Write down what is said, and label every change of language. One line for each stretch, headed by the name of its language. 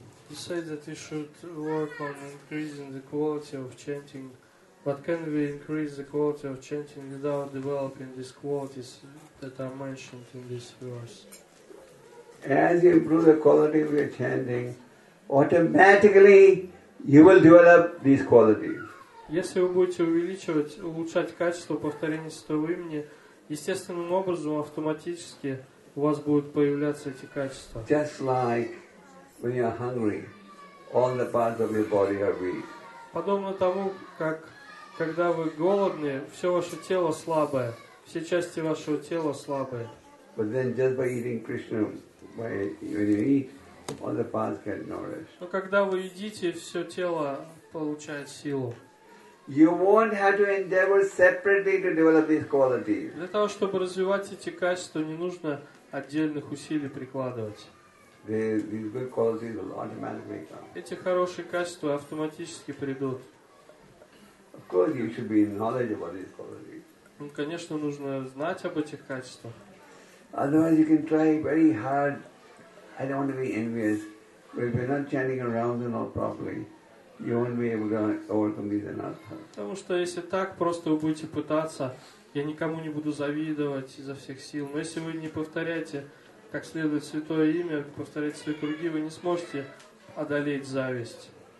English: You said that we should work on increasing the quality of chanting, but can we increase the quality of chanting without developing these qualities that are mentioned in this verse? As you improve the quality of your chanting, automatically you will develop these qualities.
Russian: Если вы будете увеличивать, улучшать качество повторения святого имени, естественным образом автоматически у вас будут появляться эти качества.
English: Just like when you are hungry, all the parts of your body are weak.
Russian: Подобно тому, как когда вы голодны, все ваше тело слабое, все части вашего тела слабые.
English: But then just by eating Krishna, when you eat, all the parts get nourished.
Russian: Но когда вы едите, все тело получает силу.
English: You won't have to endeavor separately to develop these qualities.
Russian: Для того, чтобы развивать эти качества, не нужно отдельных усилий прикладывать.
English: These good qualities will automatically come.
Russian: Эти хорошие качества автоматически придут.
English: Of course, you should be knowledgeable about these qualities.
Russian: Ну, конечно, нужно знать об этих качествах.
English: Otherwise, you can try very hard. I don't want to be envious, but if you're not chanting around the knot properly, you won't be able to overcome these anarthas.
Russian: Потому что если так, просто вы будете пытаться, я никому не буду завидовать изо всех сил. Но если вы не повторяете как следует святое имя, повторяете свои круги, вы не сможете одолеть зависть.